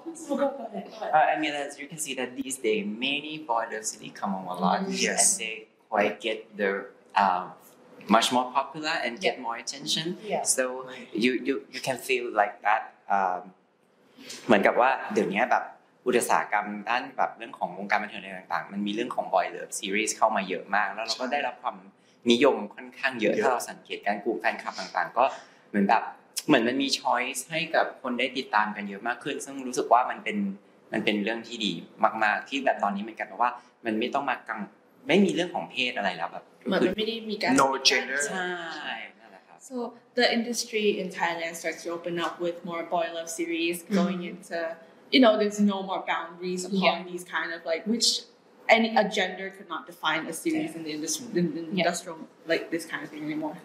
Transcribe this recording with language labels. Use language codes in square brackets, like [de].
[en] I mean, as you can see that these days, many boys really come on a lot. Yes. And they quite get their... much more popular and get more attention so you can feel like that [th] เหมือนกับว่าเดี๋ยวนี้แบบอุตสาหกรรมด้านแบบเรื่องของวงการบันเทิงอะไรต่างๆมันมีเรื่องของ Boy Love Series เข้ามาเยอะมากแล้วเราก็ได้รับความนิยมค่อนข้างเยอะถ้าเราสังเกตการกลุ่มแฟนคลับต่างๆก็เหมือนแบบเหมือนมันมี choice ให้กับคนได้ติดตามกันเยอะมากขึ้นซึ่งรู้สึกว่ามันเป็นเรื่องที่ดีมากๆที่แบบตอนนี้มันกลายเป็นว่ามันไม่มีเรื่องของเพศอะไรแล้วแบบ [en] No gender. So the industry in Thailand starts to open up with more boy love series going into, you know, there's no more boundaries upon these kind of like, which any a gender could not define a series in the industrial, like this kind of thing anymore.